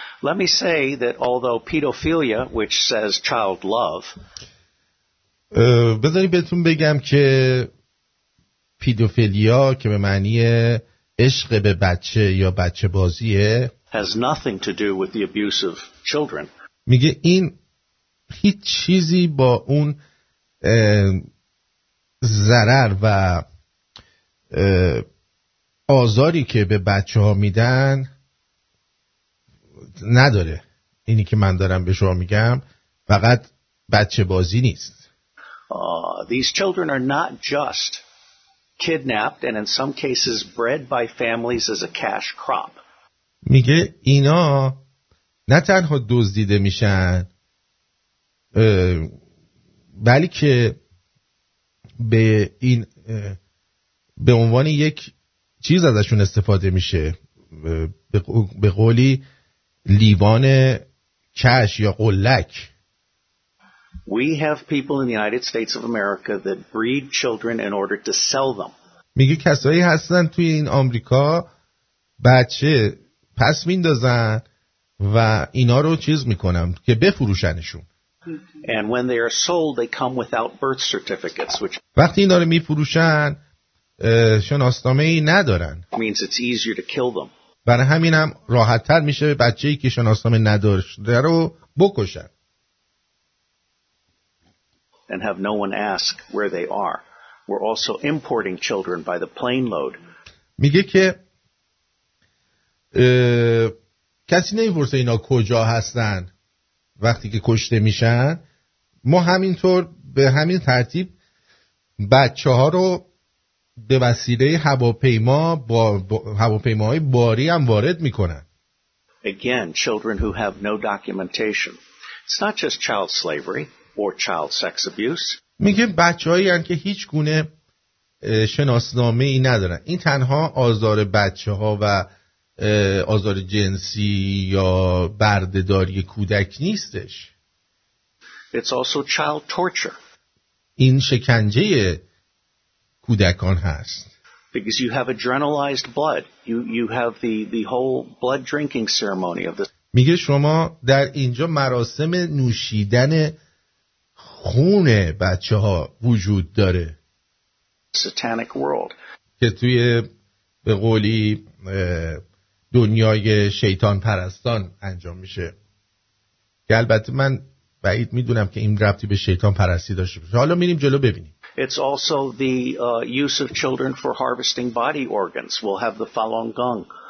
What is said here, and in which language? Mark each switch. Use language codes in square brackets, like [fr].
[en] Let me say that although pedophilia, which says child love, [fa] بذارید بهتون بگم که پیدوفیلیا که به معنی عشق به بچه یا بچه بازیه [en] has nothing to do with the abuse of children. [fa] میگه این هیچ چیزی با اون ضرر و آزاری که به بچه‌ها میدن نداره. اینی که من دارم به شما میگم فقط بچه بازی نیست. [en] These children are not just kidnapped and in some cases bred by families as a cash crop. [fa] میگه اینا نه تنها دزدیده میشن بلکه به این به عنوان یک چیز ازشون استفاده میشه، به قولی لیوان کش یا قلک. [en] We have people in the United States of America that breed children in order to sell them. [fa] میگه کسایی هستن توی این آمریکا بچه پس میندازن و اینا رو چیز میکنن که بفروشنشون. [en] And when they are sold, they come without birth certificates, which [fa] وقتی اینا رو میفروشن شناسنامه‌ای ندارن. [en] Means it's easier to kill them. [fa] برای همین هم راحت تر میشه به بچه‌ای که شناسنامه نداره رو بکشن. [en] And have no one ask where they are. We're also importing children by the plane load. [fa] میگه که کسی نمی‌پرسه اینا کجا هستن وقتی که کشته میشن. ما همینطور به همین ترتیب بچه‌ها رو به وسیله هواپیما با هواپیماهای باری هم وارد میکنن. [en] Again, children who have no documentation. It's not just child slavery or child sex abuse. [fa] میگه بچه‌هایی هستن که هیچ گونه شناسنامه ای ندارن. این تنها آزار بچه‌ها و آزار جنسی یا بردهداری کودک نیستش. [en] It's also child torture. [fa] این شکنجه کودکان هست. [en] Because you have adrenalized blood, you have the whole blood drinking ceremony of this. [fa] میگه شما در اینجا مراسم نوشیدن خون بچه‌ها وجود داره. [en] Satanic world. [fa] که توی به قولی دنیای شیطان پرستان انجام میشه. که البته من بعید میدونم که این ربطی به شیطان پرستی داشته باشه. حالا میریم جلو ببینیم. [en] It's also the use of children for harvesting body organs. We'll have the Falun Gong.